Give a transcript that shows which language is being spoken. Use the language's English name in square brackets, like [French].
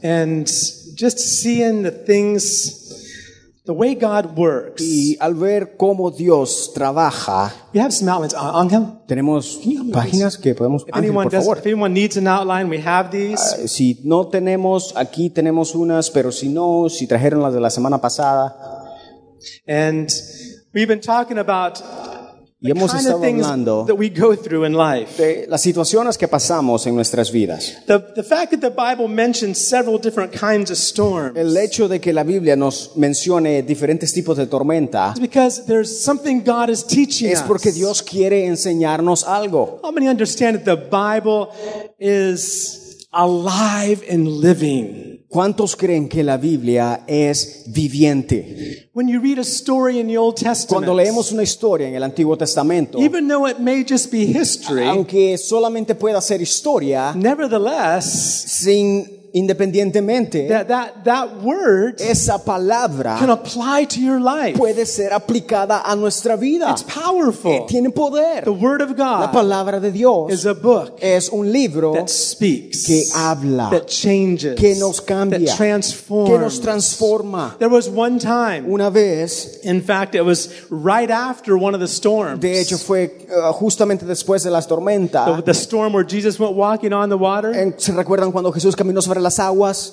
[English] And just seeing the things, the way God works. [Spanish] Y al ver cómo Dios trabaja. [English] We have some outlines. Angel, [Spanish] tenemos páginas que podemos. [English] If anyone needs an outline, we have these. [Spanish] Si no tenemos, aquí tenemos unas. Pero si no, si trajeron las de la semana pasada. [English] And we've been talking about the kind of things that we go through in life. [Spanish] De las situaciones que pasamos en nuestras vidas. [English] The fact that the Bible mentions several different kinds of storms. [Spanish] El hecho de que la Biblia nos mencione diferentes tipos de tormenta. [English] Is because there's something God is teaching us. [Spanish] Es porque Dios quiere enseñarnos algo. [English] How many understand that the Bible is alive and living? [Spanish] ¿Cuántos creen que la Biblia es viviente? [English] When you read a story in the Old Testament, [Spanish] cuando leemos una historia en el Antiguo Testamento, [English] even though it may just be history, [Spanish] aunque solamente pueda ser historia, [English] nevertheless, [Spanish] independientemente, [English] that word, [Spanish] esa palabra, [English] can apply to your life. [Spanish] Puede ser aplicada a nuestra vida. [English] It's powerful. [Spanish] Tiene poder. [English] The word of God, [Spanish] la palabra de Dios, [English] is a book, [Spanish] es un libro, [English] that speaks, [Spanish] que habla, [English] that changes, [Spanish] que nos cambia, [English] that transforms, [Spanish] que nos transforma. [English] There was one time, [Spanish] una vez, [English] in fact, it was right after one of the storms. [Spanish] De hecho, fue justamente después de las tormentas. [English] The storm where Jesus went walking on the water. [Spanish] ¿Se recuerdan cuando Jesús caminó sobre las aguas?